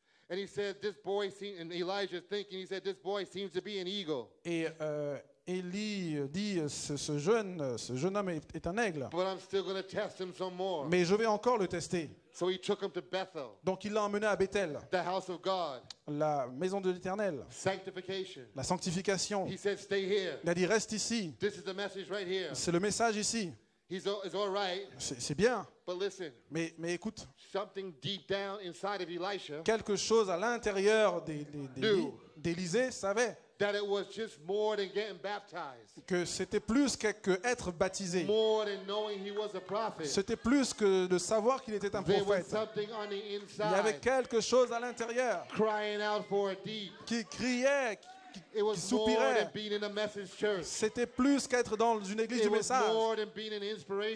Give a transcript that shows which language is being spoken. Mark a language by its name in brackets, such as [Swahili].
[English] And he said, this boy seems, and Elijah's thinking, he said, this boy seems to be an eagle. [French] Et Élie dit, ce jeune homme est un aigle. [English] But I'm still going to test him some more. [French] Mais je vais encore le tester. [English] So he took him to Bethel. [French] Donc il l'a emmené à Bethel. [English] The house of God. [French] La maison de l'Éternel. [English] Sanctification. [French] La sanctification. [English] He said, stay here. [French] Il a dit, reste ici. [English] This is the message right here. [French] C'est le message ici. [English] He's all right. [French] C'est bien. [English] But listen. [French] Mais écoute. [English] Something deep down inside of Elisha. [French] Quelque chose à l'intérieur d'Élisée savait. [English] That it was just more than getting baptized. [French] Que c'était plus qu'être baptisé. [English] More than knowing he was a prophet. [French] C'était plus que de savoir qu'il était un prophète. [English] There was something on the inside. [French] Il y avait quelque chose à l'intérieur. [English] Crying out for it deep. [French] Qui criait qui soupirait. C'était plus qu'être dans une église de message.